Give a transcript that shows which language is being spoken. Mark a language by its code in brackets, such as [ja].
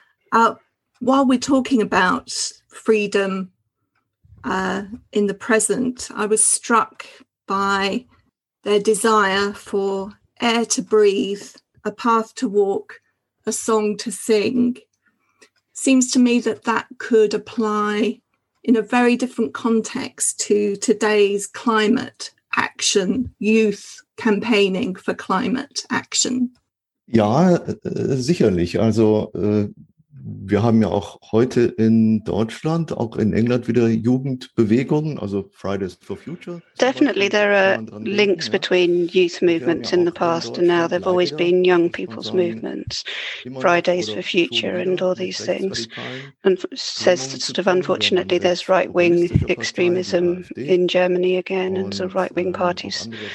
[en] While we're talking about freedom in the present, I was struck by their desire for air to breathe, a path to walk, a song to sing. Seems to me that could apply in a very different context to today's climate action, youth campaigning for climate action. [de] Ja, sicherlich. Also wir haben ja auch heute in Deutschland, auch in England wieder Jugendbewegungen, also Fridays for Future. [en] Definitely there are links between youth movements in the past and now. There have always been young people's movements, Fridays for Future and all these things. And says that sort of unfortunately there's right-wing extremism in Germany again and sort of right-wing parties.